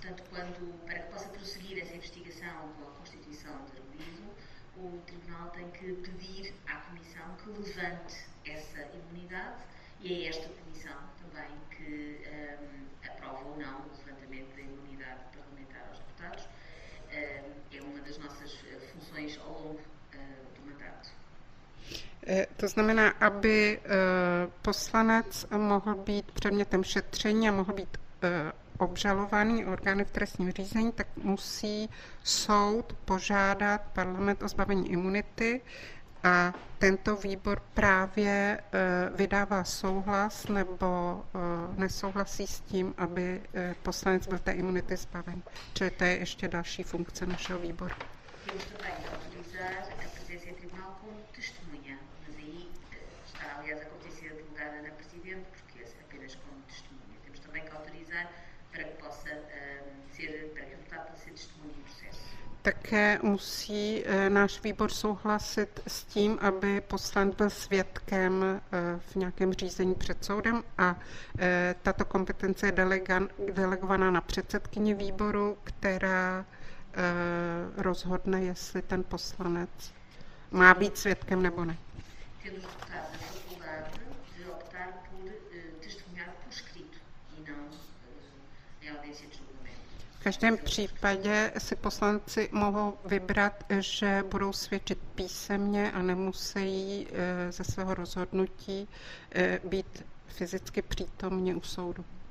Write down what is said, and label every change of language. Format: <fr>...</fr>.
<pt>Para que possa prosseguir essa investigação pela constituição de arguído, o Tribunal tem que pedir à Comissão que levante essa imunidade e é esta Comissão também que aprova ou não o levantamento da imunidade parlamentar aos deputados. É uma das nossas funções ao longo do mandato.</pt> <cs>To znamená, aby poslanec mohl být předmětem šetření a mohl být obžalovaný orgány v trestním řízení, tak musí soud požádat parlament o zbavení imunity a tento výbor právě vydává souhlas nebo nesouhlasí s tím, aby poslanec byl té imunity zbaven. Čili to je ještě další funkce našeho výboru.</cs> <pt>Temos também de autorizar a presença em tribunal como testemunha, mas aí está, aliás, a competência delegada na Presidente, porque é apenas como testemunha. Temos também que autorizar para que possa ser, para que o deputado possa ser testemunha em processo.</pt> <cs>Také musí náš výbor souhlasit s tím, aby poslanec byl svědkem v nějakém řízení před soudem a tato kompetence je delegovaná na předsedkyni výboru, která rozhodne, jestli ten poslanec má být svědkem nebo ne.</cs> <pt>Tendo os deputados a faculdade de optar por testemunhar por escrito e não em audiência de julgamento.</pt> <cs>V každém případě si poslanci mohou vybrat, že budou svědčit písemně a nemusí ze svého rozhodnutí být fyzicky přítomni u soudu.</cs>